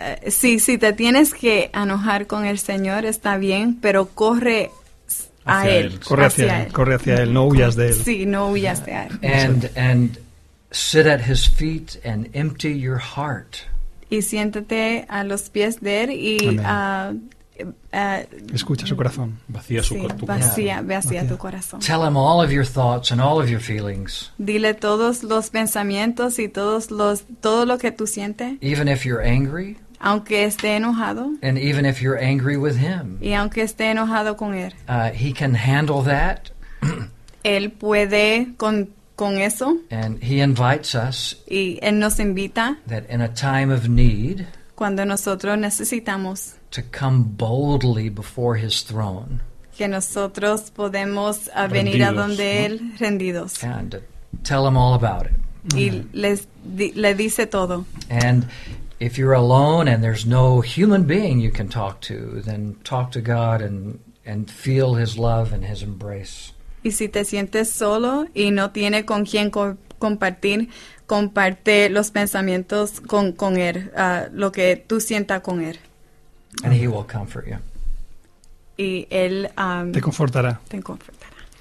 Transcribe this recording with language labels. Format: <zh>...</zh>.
<es>Si te tienes que enojar con el Señor, está bien, pero corre hacia él. Corre hacia él, no huyas de él. Sí, no huyas de él.</es> <en>And sit at his feet and empty your heart.</en> <es>Y siéntate a los pies de él y escucha su corazón. Vacía su vacía tu corazón.</es> <en>Tell him all of your thoughts and all of your feelings.</en> <es>Dile todos los pensamientos y todo lo que tú sientes.</es> <en>Even if you're angry.</en> <es>Aunque esté enojado.</es> <en>And even if you're angry with him.</en> <es>Y aunque esté enojado con él.</es> <en>He can handle that.</en> <es>Él puede con eso.</es> <en>And he invites us.</en> <es>Y él nos invita.</es> <en>That in a time of need.</en> <es>Cuando nosotros necesitamos.</es> <en>To come boldly before his throne.</en> <es>Que nosotros podemos venir a donde él rendidos.</es> <en>And tell him all about it.</en> <es>Y le dice todo.</es> <en>And if you're alone and there's no human being you can talk to, then talk to God and feel his love and his embrace.</en> <es>Y si te sientes solo y no tiene con quien compartir, comparte los pensamientos con él, lo que tú sientas con él.</es> <en>And he will comfort you.</en> <es>Y él te confortará. Te confortará.</es>